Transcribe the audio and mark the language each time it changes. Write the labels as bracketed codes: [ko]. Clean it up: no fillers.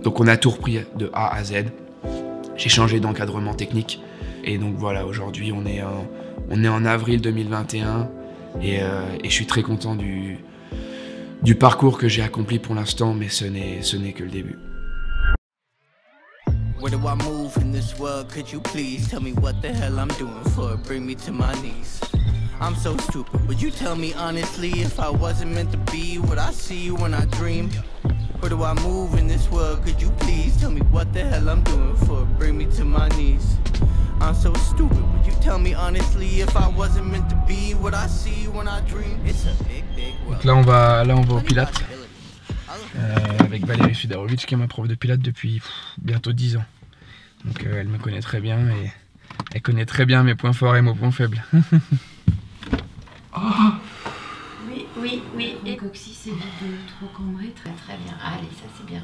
[fr] Donc on a tout repris de A à Z. J'ai changé d'encadrement technique. Et donc voilà, aujourd'hui, on est en avril 2021. Et je suis très content du parcours que j'ai accompli pour l'instant, mais ce n'est que le début. [en] Where do I move in this world? Could you please tell me what the hell I'm doing for? Bring me to my knees. I'm so stupid, would you tell me honestly if I wasn't meant to be, would I see you when I dream? Where do I move in this world, could you please tell me what the hell I'm doing for, bring me to my knees. I'm so stupid, would you tell me honestly if I wasn't meant to be, would I see you when I dream? It's a big, big world. [fr] Donc là on va au Pilates, avec Valérie Fidarovitch qui est ma prof de Pilates depuis bientôt 10 ans. Donc elle me connaît très bien et elle connaît très bien mes points forts et mes points faibles. Oh. Oui. Le coccyx évite de trop cambrer. Très, très bien. Allez, ça c'est bien.